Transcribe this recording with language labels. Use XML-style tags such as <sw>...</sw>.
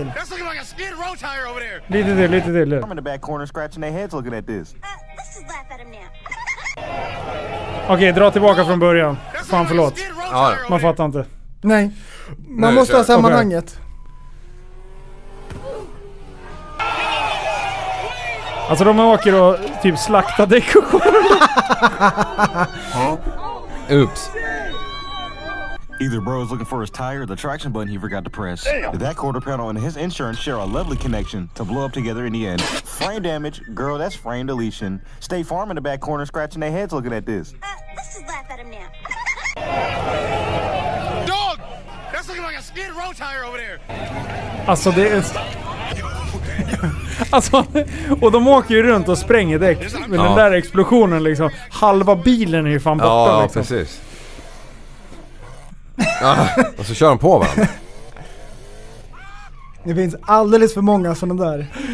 <en>That's looking like a skid row tire over there.</en> <sv>Lite till, lite till.</sv> <en>I'm in the back corner scratching their heads looking at this. Let's just laugh at him now.</en> <sv>Okej, dra tillbaka från början. Fan, förlåt. Man fattar inte. Nej. Man måste ha sammanhanget. Alltså, de åker och typ slaktar däck.</sv> <en>Oops. Either bro is looking for his tire or the traction button he forgot to press. Damn. That quarter panel and his insurance share a lovely connection to blow up together in the end. Frame damage, girl, that's frame deletion. Stay Farm in the back corner scratching their heads looking at this. Let's just laugh at him now. Dog! That's looking like a skid row tire over there.</en> <sv>Alltså det är... Alltså, och de åker ju runt och spränger däck. Med den där explosionen liksom. Halva bilen är ju fan borta liksom. Ja, precis. Ja, och så kör de på varandra. Det finns alldeles för många sådana där.</sv>